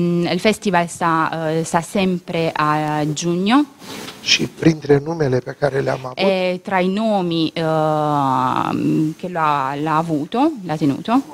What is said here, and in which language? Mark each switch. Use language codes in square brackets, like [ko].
[it] Il festival sta sempre a giugno. [ro] Și printre numele pe care le-am avut. [it] E tra i nomi che l'ha avuto, l'ha tenuto.